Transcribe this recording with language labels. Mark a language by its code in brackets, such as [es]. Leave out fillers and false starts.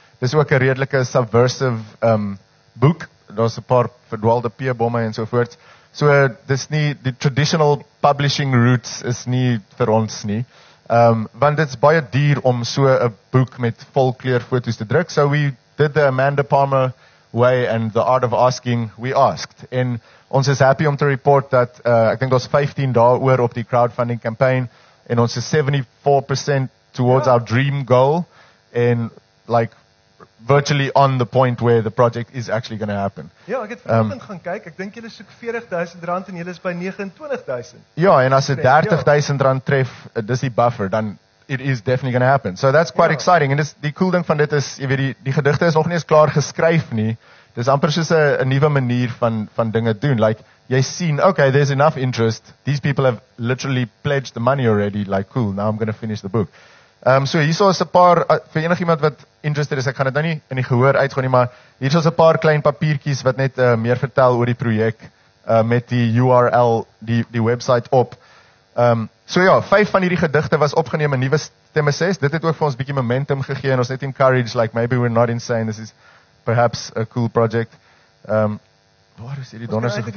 [af] Dis ook 'n redelike subversive boek. Daar's 'n paar verdwaalde peerbomme en so voort. So dis nie die traditional publishing routes is nie vir ons nie. Want dit's baie duur om so 'n boek met volkleur fotos te druk. [en] So we did the Amanda Palmer way and the art of asking, we asked. [af] En ons is happy om te report dat ek dink daar's 15 dae oor op die crowdfunding campaign en ons is 74% [en] towards our dream goal and like virtually on the point where the project is actually going to happen. [af] Ja, ek het vanoggend gaan kyk. Ek dink julle soek R40,000 en julle is by R29,000. Ja, en as dit R30,000 tref, dis die buffer, dan [en] it is definitely going to happen. So that's quite exciting. [af] En dis die cool ding van dit is, jy weet die gedigte is nog nie eens klaar geskryf nie. Dis amper soos 'n nuwe manier van dinge doen. [en] Like [af] jy sien, [en] okay, there's enough interest. These people have literally pledged the money already. Like cool, now I'm going to finish the book. [af] So hierso is 'n paar vir enigiemand wat interested is, ek gaan dit nou nie in die gehoor uitgaan nie, maar hierso is 'n paar klein papiertjies wat net meer vertel oor die projek met die URL die website op. So ja, 5 van hierdie gedigte was opgeneem in nuwe stemme 6. Dit het ook vir ons 'n bietjie momentum gegee en ons net encourage [en] like maybe we're not insane, this is perhaps a cool project. [af] Waar is hierdie donderse